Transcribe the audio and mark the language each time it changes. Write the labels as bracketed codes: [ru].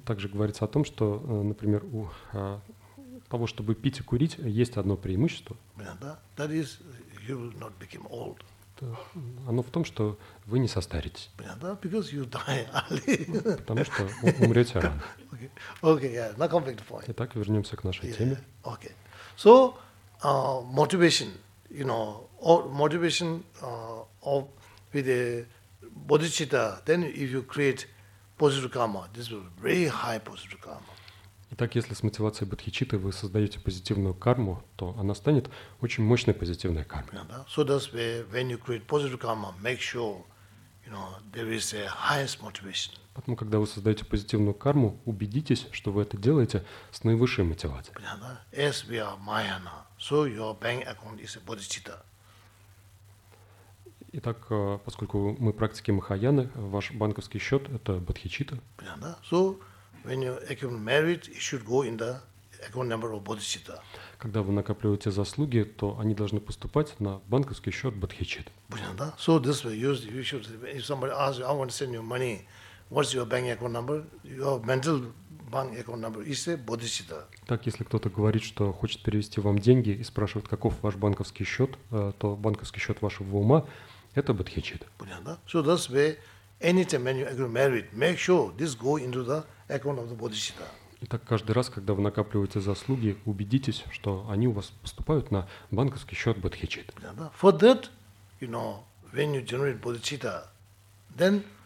[ru] Также говорится о том, что, например, у того, чтобы пить и курить, есть одно преимущество. [en] Yeah, that is, you will not become old. [ru] Оно в том, что вы не состаритесь. [en] Yeah, that, because you die early. [ru] Потому что умрете рано. [en] Okay. Okay, yeah, not conflict point. [ru] Итак, вернемся к нашей теме. [en] Okay. So, motivation, you know, or motivation of with a bodhicitta, then if you create positive karma, this will be very high positive karma. [ru] Итак, если с мотивацией бодхичитты вы создаете позитивную карму, то она станет очень мощной позитивной кармой. [en] Yeah, that. So that's where, when you create positive karma, make sure, you know, there is the highest motivation. [ru] Поэтому, когда вы создаете позитивную карму, убедитесь, что вы это делаете с наивысшей мотивацией. [en] Yeah, that. As we are Mayana, so your bank account is a bodhicitta. [ru] Итак, поскольку мы практики Махаяны, ваш банковский счет – это бодхичитта. [en] Yeah, that. So when you accumulate merit, it should go in the account number of bodhicitta. [ru] Когда вы накапливаете заслуги, то они должны поступать на банковский счет бодхичит. Понятно, да? [en] So this way, you should, if somebody asks you, I want to send you money, what's your bank account number? Your mental bank account number is a bodhicitta. [ru] Так, если кто-то говорит, что хочет перевести вам деньги и спрашивает, каков ваш банковский счет, то банковский счет вашего ума – это бодхичит. Понятно, да? [en] So this way, anytime when you accumulate merit, make sure this go into the account of the bodhicitta. [ru] Итак, каждый раз, когда вы накапливаете заслуги, убедитесь, что они у вас поступают на банковский счет бодхичит. [en] For that, you know, when you generate bodhicitta, then